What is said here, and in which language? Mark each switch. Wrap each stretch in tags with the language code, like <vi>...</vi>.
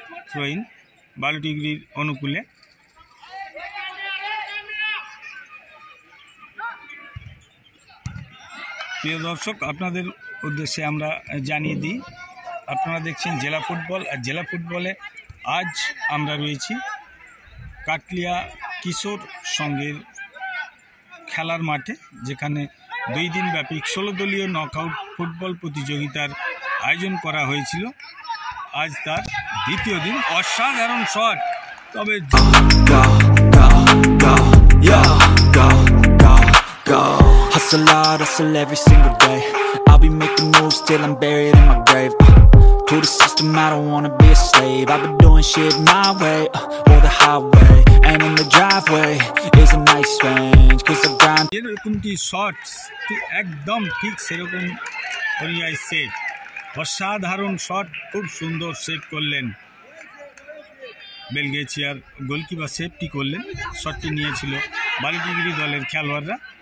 <bn>Throw-in বালুটিগুড়ির অনুকূলে, প্রিয় দর্শক আপনাদের উদ্দেশ্যে আমরা জানিয়ে দিই, আপনারা দেখছেন জেলা ফুটবল। আর জেলা ফুটবলে আজ আমরা রয়েছি কাটলিয়া কিশোর সংঘের খেলার মাঠে, যেখানে দুই দিনব্যাপী 16-দলীয় নকআউট ফুটবল প্রতিযোগিতার আয়োজন করা হয়েছিল। আজ তার দ্বিতীয় দিন, অসাধারণ শট, তবে</bn> <en>to the system, I don't wanna be a slave. I've been doing shit my way, or the highway, and in the driveway is a nice range, cause I grind. Here are some shots, the</en> <bn>একদম ঠিক সেরকম হরিয়াই save, অসাধারণ shot, খুব সুন্দর save করলেন বেলগেছিয়ার goalkeeper, সেভটি করলেন, শটটি নিয়েছিল বালুটিগুড়ি দলের খেলোয়াড়রা।</bn>